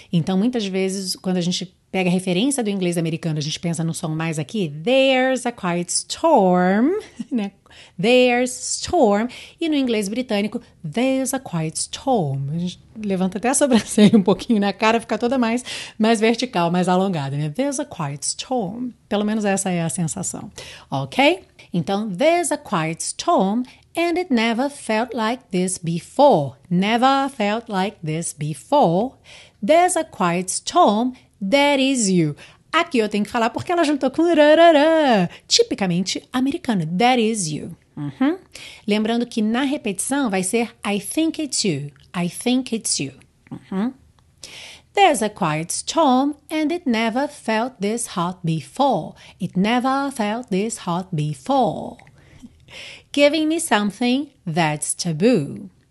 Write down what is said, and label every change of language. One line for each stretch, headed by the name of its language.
Portuguese: Então, muitas vezes, quando a gente pega a referência do inglês americano, a gente pensa no som mais aqui,
English: there's a quiet storm,
Portuguese: né?
English: There's storm.
Portuguese: E no inglês britânico,
English: there's a quiet storm.
Portuguese: A gente levanta até a sobrancelha um pouquinho na cara, fica toda mais vertical, mais alongada, né?
English: There's a quiet storm.
Portuguese: Pelo menos essa é a sensação, ok?
English: Então, there's a quiet storm and it never felt like this before. Never felt like this before. There's a quiet storm. That is you.
Portuguese: Aqui eu tenho que falar porque ela juntou com rarará. Tipicamente americano.
English: That is you.
Portuguese: Uhum. Lembrando que na repetição vai ser
English: I think it's you. I think it's you. Uhum. There's a quiet storm and it never felt this hot before. It never felt this hot before. giving me something that's taboo.